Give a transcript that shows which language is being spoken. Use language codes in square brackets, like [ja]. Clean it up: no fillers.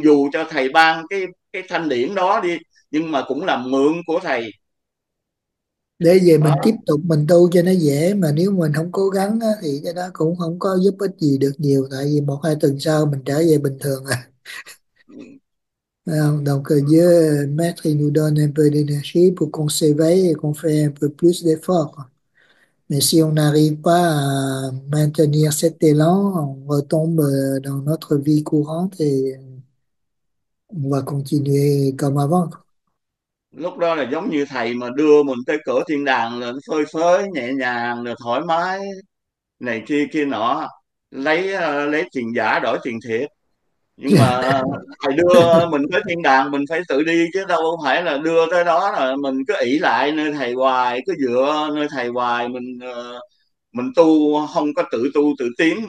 [vi] Dù cho thầy ban cái thanh điển đó đi, nhưng mà cũng là mượn của thầy Để về đó. mình tiếp tục mình tu cho nó dễ, mà nếu mình không cố gắng á, thì cái đó cũng không có giúp ích gì được nhiều, tại vì 1 2 tuần sau mình trở về bình thường à. [fr] Donc, Dieu, Maître, il nous donne un peu d'énergie pour qu'on s'éveille et qu'on fait un peu plus d'efforts. Mais si on n'arrive pas à maintenir cet élan, on retombe dans notre vie courante et on va continuer comme avant. [vi] Lúc đó là giống như thầy mà đưa mình tới cửa thiên đàng là phơi phới nhẹ nhàng được thoải mái này kia kia nọ, lấy tiền giả đổi tiền thiệt, nhưng mà thầy đưa mình tới thiên đàng mình phải tự đi chứ đâu không phải là đưa tới đó là mình cứ ỷ lại nơi thầy hoài, cứ dựa nơi thầy hoài, mình tu không có tự tu tự tiến.